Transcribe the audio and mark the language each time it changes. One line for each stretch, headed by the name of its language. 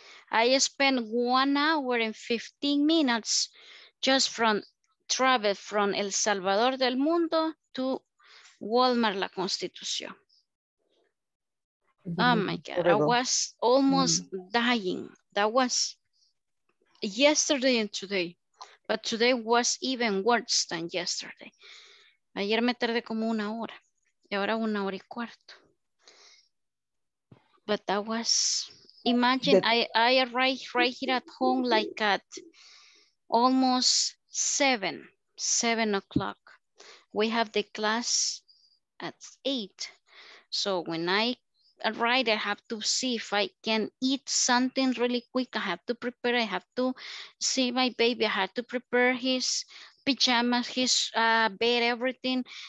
English: I spent 1 hour and 15 minutes just from travel from El Salvador del Mundo to Walmart, La Constitución. Oh my God, I was almost dying. That was yesterday and today, but today was even worse than yesterday.
Spanish: Ayer me tardé como 1 hora, y ahora 1 hora y cuarto.
English: But that was, imagine I arrived right here at home like at almost 7 o'clock. We have the class at 8. So when I arrive, I have to see if I can eat something really quick. I have to prepare, I have to see my baby. I have to prepare his pajamas, his bed, everything.